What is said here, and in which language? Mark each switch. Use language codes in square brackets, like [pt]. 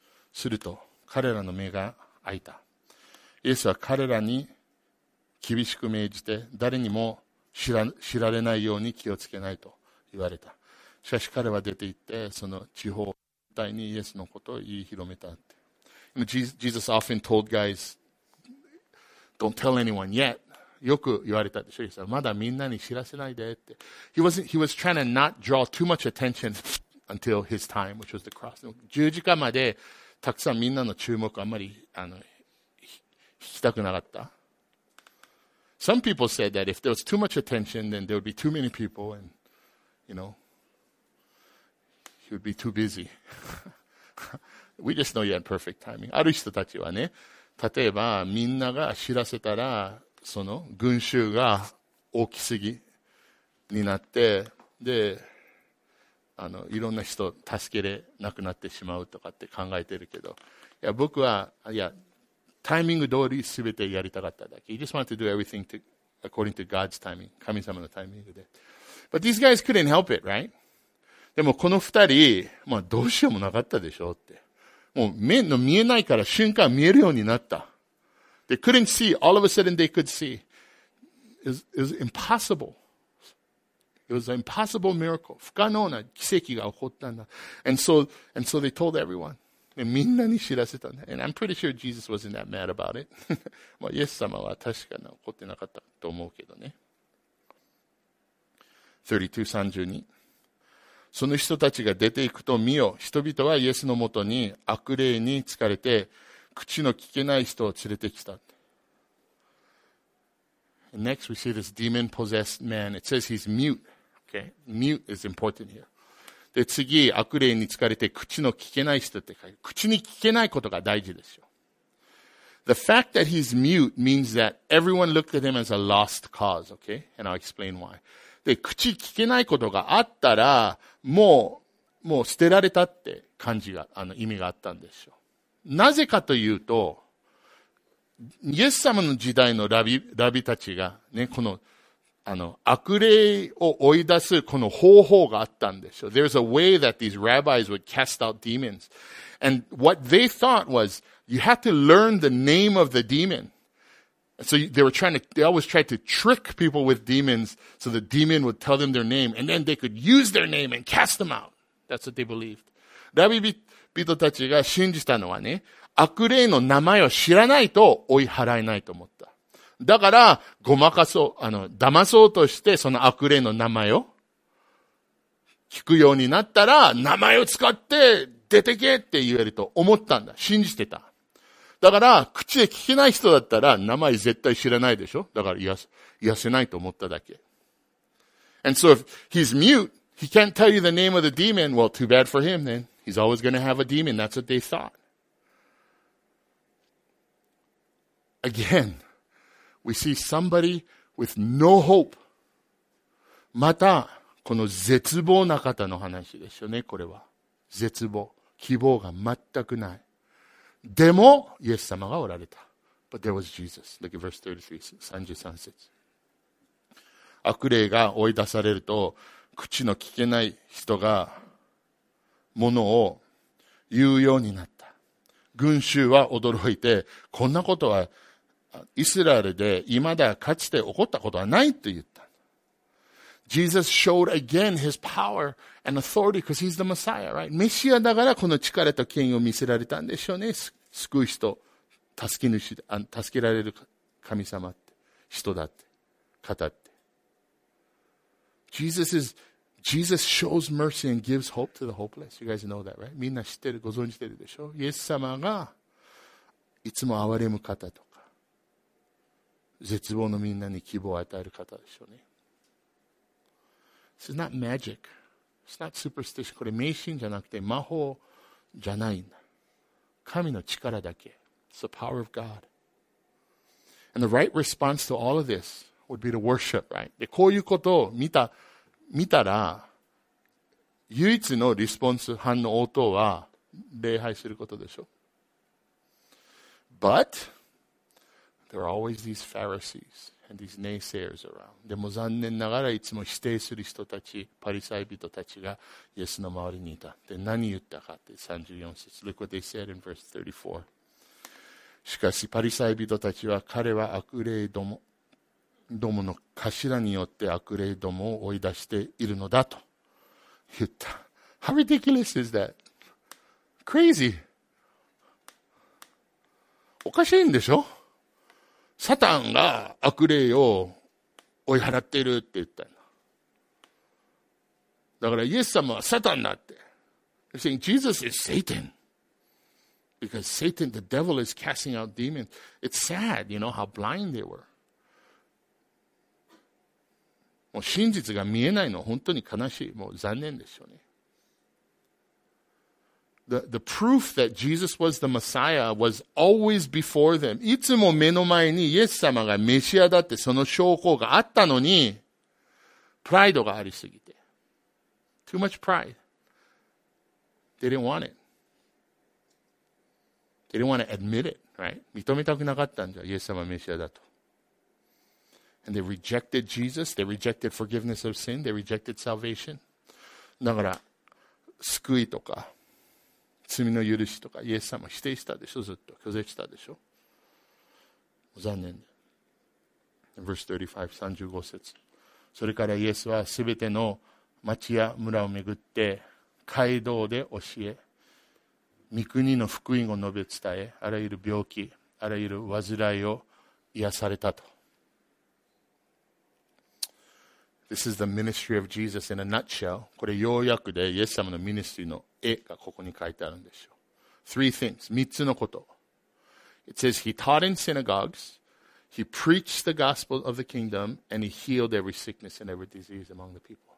[ja] すると彼らの目が開いた。イエスは彼らに厳しく命じて誰にも知られないように気をつけないと言われた。しかし彼は出て行って、その地方帯にイエスのことを言い広めたって。 [en] Jesus often told guys, don't tell anyone yet. [ja] よく言われたでしょ。まだみんなに知らせないでって。 [en] He was trying to not draw too much attention until his time, which was the cross. [ja] 十字架までたくさんみんなの注目あんまり引きたくなかった。 [en] Some people said that if there was too much attention, then there would be too many people and, you know, he would be too busy. We just know you had perfect timing. [ja] ある人たちはね、例えばみんなが知らせたら、その群衆が大きすぎになって、で、いろんな人助けれなくなってしまうとかって考えてるけど、いや、僕は、いや、タイミング通りすべてやりたかっただけ。 [en] He just wanted to do everything to, according to God's timing. [ja] 神様のタイミングで。 [en] But these guys couldn't help it, right? [ja] でもこの二人、まあどうしようもなかったでしょうって。もう目の見えないから瞬間見えるようになった。 [en] They couldn't see. All of a sudden they could see. It was impossible. It was an impossible miracle. [ja] 不可能な奇跡が起こったんだ。 [en] And so they told everyone. [ja] みんなに知らせたんだ。 [en] And I'm pretty sure Jesus wasn't that mad about it. [ja] まあ、イエス様は確かに怒ってなかったと思うけどね。 32:32。その人たちが出ていくと見よ。人々はイエスのもとに悪霊に疲れて、口の聞けない人を連れてきた。 [en] And、next we see this demon-possessed man. It says he's mute. Okay? Mute is important here. [ja] で次、悪霊に疲れて口の聞けない人って書いて、口に聞けないことが大事ですよ。 [en] The fact that he's mute means that everyone looked at him as a lost cause, okay? And I'll explain why. [ja] で、口聞けないことがあったら、もう捨てられたって感じが、意味があったんですよ。なぜかというと、イエス様の時代のラビたちが、ね、この、悪霊を追い出すこの方法があったんでしょう。 [en] There's a way that these rabbis would cast out demons. And what they thought was, you had to learn the name of the demon. So they always tried to trick people with demons so the demon would tell them their name and then they could use their name and cast them out. That's what they believed. [ja] ラビ人たちが信じたのはね、悪霊の名前を知らないと追い払えないと思った。だから、ごまかそう、騙そうとして、その悪霊の名前を聞くようになったら、名前を使って出てけって言えると思ったんだ。信じてた。だから、口で聞けない人だったら、名前絶対知らないでしょ？だから癒せないと思っただけ。 [en] And so if he's mute, he can't tell you the name of the demon, well, too bad for him then. He's always gonna have a demon. That's what they thought. Again. We see somebody with no hope. [ja] また、この絶望な方の話ですよね、これは。絶望。希望が全くない。でも、イエス様がおられた。 [en] But there was Jesus. Look at verse 33, [ja] 33節。悪霊が追い出されると、口の聞けない人が、ものを言うようになった。群衆は驚いて、こんなことは、イスラエルで未だかつて起こったことはないと言った。 [en] Jesus showed again his power and authority because he's the Messiah, right? [ja] メシアだからこの力と権威を見せられたんでしょうね。救う人、助けられる神様って、人だって、方って。 [en] Jesus shows mercy and gives hope to the hopeless. You guys know that, right? [ja] みんな知ってる、ご存知てるでしょ？イエス様がいつも憐れむ方と。絶望のみんなに希望を与える方でしょうね。 [en] This is not magic. It's not superstition. [ja] これ迷信じゃなくて魔法じゃないんだ。神の力だけ。 [en] It's the power of God. And the right response to all of this would be to worship, right? [ja] で、こういうことを見たら、唯一のリスポンス、反応、応答は礼拝することでしょう。 [en] But,There are always these Pharisees and these naysayers around. [ja] でも残念ながらいつも否定する人たち、パリサイ人たちがイエスの周りにいた。で、何言ったかって34節。 [en] Look what they said in verse 34. [ja] しかしパリサイ人たちは彼は悪霊どもどもの頭によって悪霊どもを追い出しているのだと言った。 [en] How ridiculous is that? Crazy. [ja] おかしいんでしょ。サタンが悪霊を追い払っているって言った。だからイエス様はサタンだって。 [en] You're saying Jesus is Satan because Satan, the devil, is casting out demons. It's sad, you know, how blind they were. [ja] もう真実が見えないの本当に悲しい。もう残念ですよね。 [en] The proof that Jesus was the Messiah was always before them. [ja] いつも目の前にイエス様がメシアだってその証拠があったのに、プライドがありすぎて。 [en] Too much pride. They didn't want it. They didn't want to admit it, right? [ja] 認めたくなかったんじゃ、イエス様はメシアだと。 [en] And they rejected Jesus. They rejected forgiveness of sin. They rejected salvation. [ja] だから、救いとか、罪の許しとか、イエス様否定したでしょ、ずっと。拒絶したでしょ。残念。Verse 35節。それからイエスはすべての町や村をめぐって街道で教え、御国の福音を述べ伝え、あらゆる病気、あらゆる患いを癒されたと。 [en] This is the ministry of Jesus in a nutshell. [ja] これ要約でイエス様のミニストリーの絵がここに書いてあるんですよ。 [en] Three things, [ja] 三つのこと。 [en] It says he taught in synagogues, he preached the gospel of the kingdom, and he healed every sickness and every disease among the people.